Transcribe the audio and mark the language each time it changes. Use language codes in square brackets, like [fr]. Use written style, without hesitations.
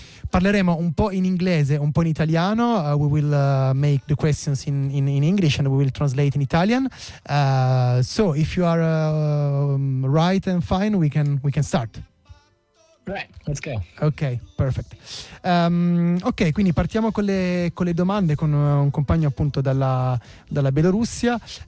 [it] Parleremo un po' in inglese, un po' in italiano. [en] We will make the questions in English and we will translate in Italian. So, if you are right and fine, we can start. Right, let's go. Ok, perfect. [it] Ok, quindi partiamo con le domande con un compagno appunto dalla Bielorussia.